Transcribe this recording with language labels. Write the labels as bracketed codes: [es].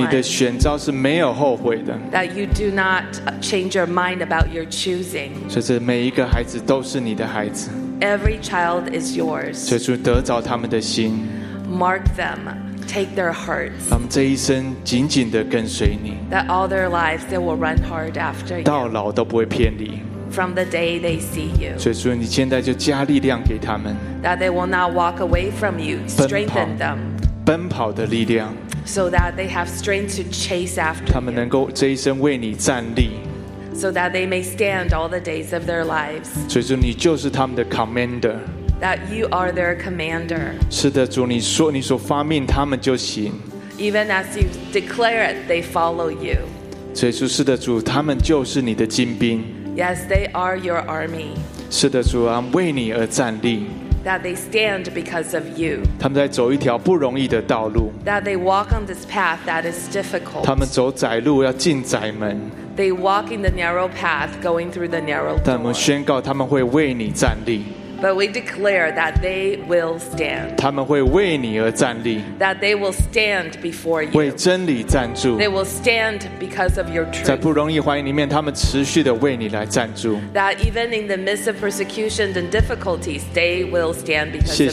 [zh] 你的选召是没有后悔的。 [en] That you do not change your mind about your choosing. [zh] 就是每一个孩子都是你的孩子。 [en] Every child is yours. [zh] 就是得着他们的心。 [en] Mark them, take their hearts. [zh] 他们这一生紧紧地跟随你。 [en] That all their lives they will run hard after you. [zh] 到老都不会偏离。 [en] From the day they see you. [zh] 所以说你现在就加力量给他们。 [en] That they will not walk away from you. Strengthen them. [zh] 奔跑的力量 [en] so that they have strength to chase after you. [zh] 他们能够这一生为你站立 [en] so that they may stand all the days of their lives. [zh] 所以说你就是他们的 commander. [en] That you are their commander. [zh] 是的，主，你说你所发命，他们就行。 [en] Even as you declare it, they follow you. [zh] 所以说，是的，主，他们就是你的精兵。 [en] Yes, they are your army. [zh] 是的，主啊，为你而站立。 [en] That they stand because of you. [zh] 他们在走一条不容易的道路。 [en] That they walk on this path that is difficult. [zh] 他们走窄路要进窄门。 [en] They walk in the narrow path going through the narrow door. [zh] 但我们宣告他们会为你站立。 [en] But we declare that they will stand. [zh] 他们会为你而站立。 [en] That they will stand before you. [zh] 为真理站住。 [en] They will stand because of your truth. [zh] 在不容易环境里面，他们持续的为你来站住。 [en] That even in the midst of persecution and difficulties, they will stand because of you.